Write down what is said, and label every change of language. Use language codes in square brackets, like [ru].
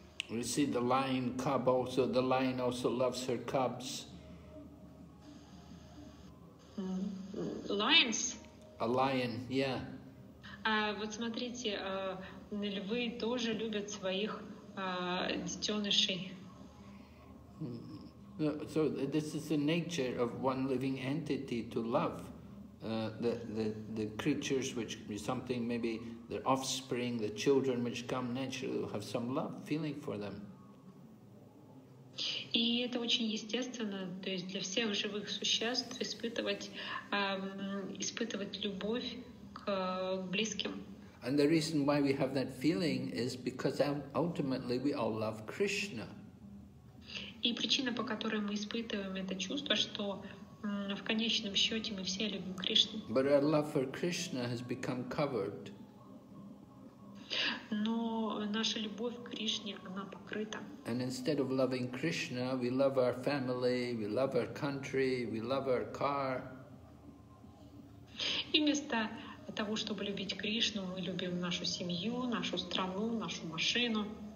[en] We see the lion cub also. The lion also loves her cubs. Lions. A lion, yeah. [ru] Вот смотрите, львы тоже любят своих детенышей. [en] So this is the nature of one living entity to love the creatures, which is something maybe their offspring, the children which come naturally have some love feeling for them. [ru] И это очень естественно, то есть для всех живых существ испытывать любовь к близким. [en] And the reason why we have that feeling is because ultimately we all love Krishna. [ru] И причина, по которой мы испытываем это чувство, что в конечном счете мы все любим Кришну. [en] But our love for Krishna has become covered. [ru] Но наша любовь к Кришне, она покрыта. [en] And instead of loving Krishna, we love our family, we love our country, we love our car. [ru] И вместо того, чтобы любить Кришну, мы любим нашу семью, нашу страну, нашу машину.